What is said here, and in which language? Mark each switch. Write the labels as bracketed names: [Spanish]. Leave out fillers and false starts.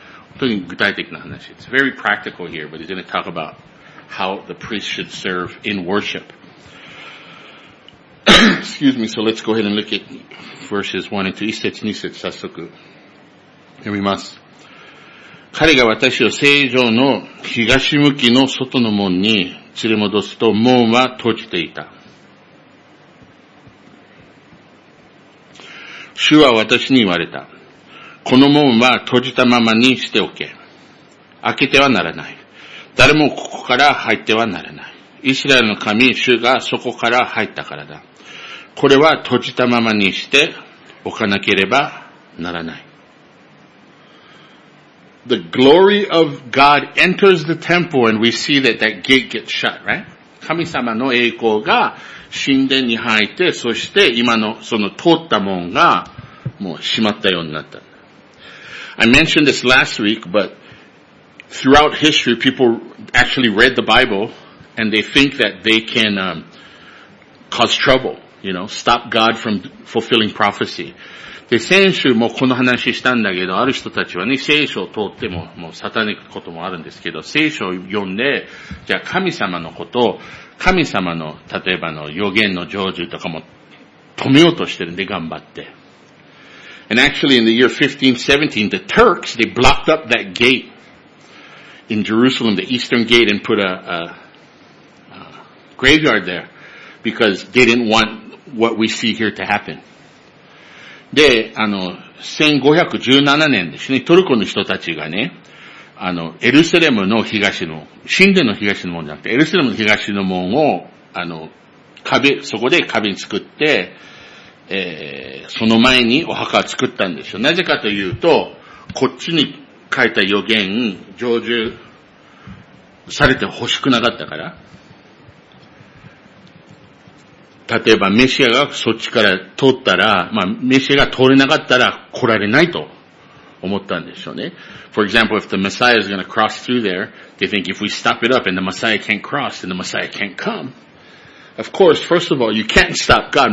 [Japanese] 本当に具体的な話。 [English] It's very practical here, but he's going to talk about how the priest should serve in worship. Excuse me, so let's go ahead and look at verses 1 and 2. [Japanese] 一節二節早速。読みます。彼が私を聖城の東向きの外の門に連れ戻すと、門は閉じていた。主は私に言われた。この門は閉じたままにしておけ。開けてはならない。誰もここから入ってはならない。イスラエルの神、主がそこから入ったからだ。これは閉じたままにしておかなければならない。 [English] The glory of God enters the temple and we see that that gate gets shut, right? [Japanese] 神様の栄光が神殿に入って、そして今のその通った門がもう閉まったようになった。 [English] I mentioned this last week, but throughout history, people actually read the Bible and they think that they can, cause trouble, you know, stop God from fulfilling prophecy. [Japanese] で、先週もこの話したんだけど、ある人たちはね、聖書を通っても、もうサタニックこともあるんですけど、聖書を読んで、じゃあ神様のことを、神様の、例えばの予言の成就とかも止めようとしてるんで、頑張って。 [English] And actually in the year 1517, the Turks, they blocked up that gate in Jerusalem, the eastern gate, and put a graveyard there, because they didn't want what we see here to happen. [Japanese] で、1517年ですね、トルコの人たちがね、エルサレムの東の、神殿の東の門じゃなくて、エルサレムの東の門を、壁、そこで壁に作って、その前にお墓を作ったんですよ。なぜかというと、こっちに書いた予言、成就されて欲しくなかったから。例えばメシアがそっちから通ったら、まあメシアが通れなかったら来られないと思ったんでしょうね。 [English] For example, if the Messiah is going to cross through there, they think if we stop it up and the Messiah can't cross, then the Messiah can't come. Of course, first of all, you can't stop God.